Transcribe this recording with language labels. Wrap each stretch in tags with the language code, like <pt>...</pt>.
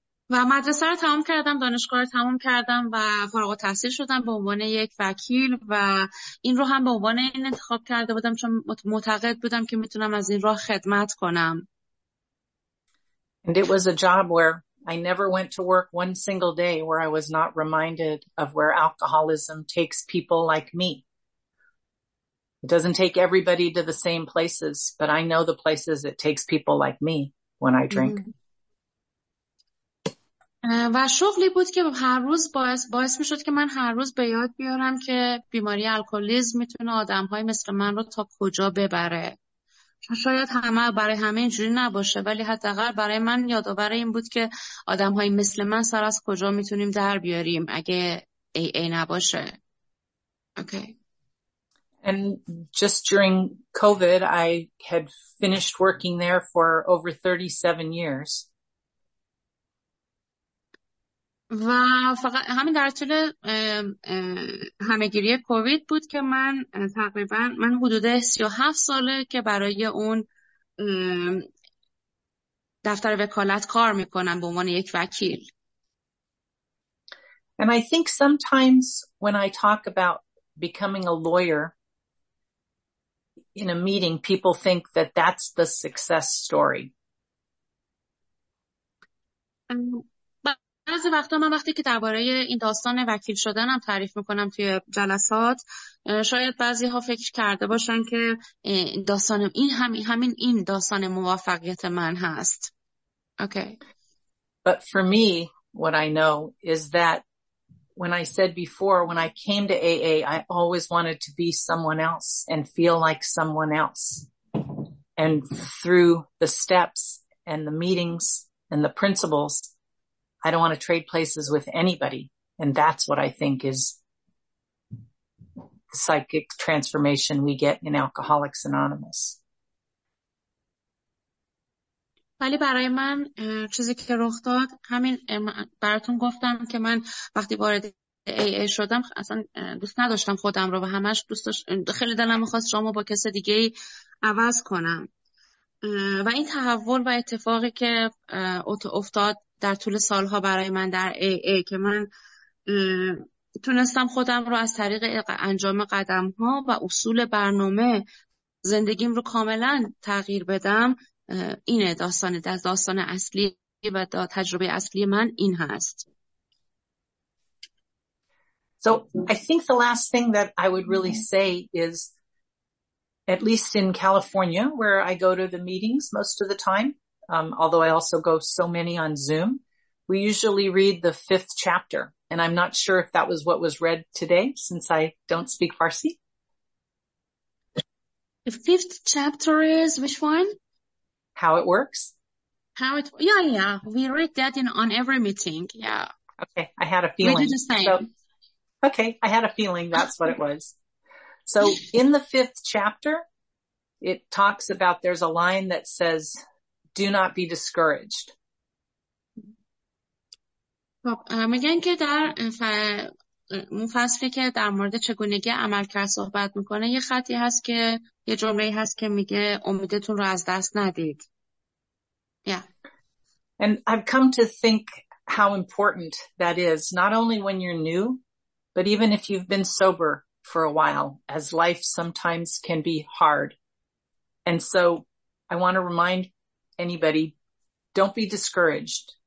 <fa>و مدرسه رو تمام کردم، دانشگاه رو تمام کردم و فارغ التحصیل شدم به عنوان یک وکیل و این رو هم به عنوان این انتخاب کرده بودم چون معتقد بودم که میتونم از این راه خدمت کنم.</fa> <en>And it was a job where I never went to work one single day where I was not reminded of where alcoholism takes people like me. It doesn't take everybody to the same places, but I know the places it takes people like me when I drink.</en> <fa>و شغلی بود که هر روز باعث می شد که من هر روز به یاد بیارم که بیماری الکلیزم می تونه آدم های مثل من رو تا کجا ببره. شاید همه برای همه اینجوری نباشه، ولی حداقل برای من یادآور این بود که آدم های مثل من سر از کجا می تونیم در بیاریم اگه AA نباشه.</fa> <en>Okay. And just during COVID, I had finished working there for over 37 years.</en> <fa>و فقط همین در طول همه‌گیری کووید بود که من تقریبا من حدود 37 ساله که برای اون دفتر وکالت کار میکنم به عنوان یک وکیل.</fa> <en>And I think sometimes when I talk about becoming a lawyer in a meeting, people think that that's the success story.</en> <fa>بعضی وقتا من وقتی که درباره این داستان وکیل شدنم تعریف میکنم توی جلسات، شاید بعضی ها فکر کرده باشن که داستان این همین این داستان موفقیت من هست.</fa> <en>Okay. But for me, what I know is that when I said before, when I came to AA, I always wanted to be someone else and feel like someone else. And through the steps and the meetings and the principles, I don't want to trade places with anybody. And that's what I think is the psychic transformation we get in Alcoholics Anonymous.</en> <fa>ولی برای من چیزی که رخ داد همین براتون گفتم که من وقتی وارد AA شدم اصلا دوست نداشتم خودم رو و همش دوست داشت خیلی دلم می‌خواست رامو با کس دیگه عوض کنم و این تحول و اتفاقی که افتاد در طول سالها برای من در AA که من تونستم خودم رو از طریق انجام قدم‌ها و اصول برنامه زندگیم رو کاملا تغییر بدم، اینه داستان داستان اصلی و تجربه اصلی من این هست.</fa> <en>So I think the last thing that I would really say is, at least in California, where I go to the meetings most of the time, although I also go so many on Zoom, we usually read the fifth chapter. And I'm not sure if that was what was read today, since I don't speak Farsi. The fifth chapter is which one? How it works. Yeah. We read that on every meeting. Yeah. Okay. I had a feeling. We do the same. I had a feeling that's what it was. So in the fifth chapter, it talks about there's a line that says, do not be discouraged.</en> <fa>میگن که در مفصلی که در مورد چگونگی عملکرد صحبت میکنه یه خطی هست که یه جمله هست که میگه امیدتون رو از دست ندید.</fa> <en>Yeah. And I've come to think how important that is, not only when you're new, but even if you've been sober for a while, as life sometimes can be hard. And so I want to remind anybody, don't be discouraged.</en>